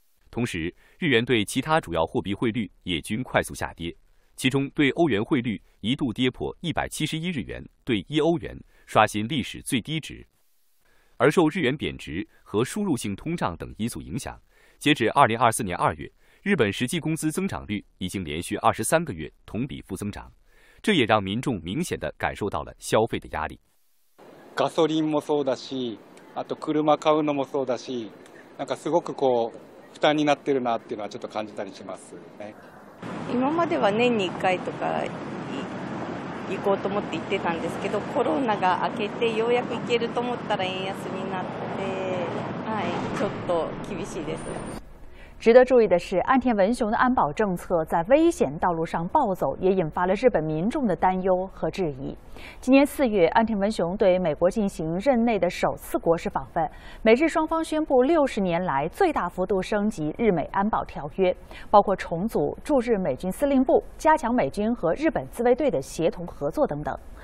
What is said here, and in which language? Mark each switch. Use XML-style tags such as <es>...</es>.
<zh>同时，日元对其他主要货币汇率也均快速下跌，其中对欧元汇率一度跌破171日元对1欧元，刷新历史最低值。而受日元贬值和输入性通胀等因素影响，截至2024年2月，日本实际工资增长率已经连续23个月同比负增长，这也让民众明显地感受到了消费的压力。</zh> <ja>ガソリンもそうだし、あと車買うのもそうだし、なんかすごくこう負担になってるなっていうのはちょっと感じたりしますね。今までは年に1回とか行こうと思って行ってたんですけど、コロナが明けてようやく行けると思ったら円安になって、はい、ちょっと厳しいです。</ja> <zh>值得注意的是，岸田文雄的安保政策在危险道路上暴走，也引发了日本民众的担忧和质疑。今年四月，岸田文雄对美国进行任内的首次国事访问，美日双方宣布60年来最大幅度升级日美安保条约，包括重组驻日美军司令部、加强美军和日本自卫队的协同合作等等。</zh>